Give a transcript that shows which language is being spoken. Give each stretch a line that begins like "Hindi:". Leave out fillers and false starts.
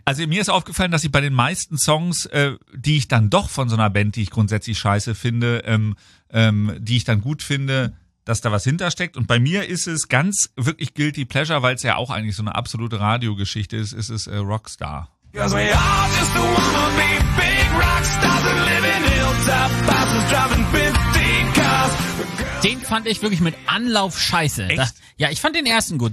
German: Also mir ist aufgefallen, dass ich bei den meisten Songs, die ich dann doch von so einer Band, die ich grundsätzlich scheiße finde, die ich dann gut finde, dass da was hintersteckt. Und bei mir ist es ganz wirklich Guilty Pleasure, weil es ja auch eigentlich so eine absolute Radiogeschichte ist, ist es Rockstar.
English: Because we all just wanna be big rock stars and live in hilltop houses driving 15 cars.
German: Den fand ich wirklich mit Anlauf scheiße. Echt? Da, ja, ich fand den ersten gut.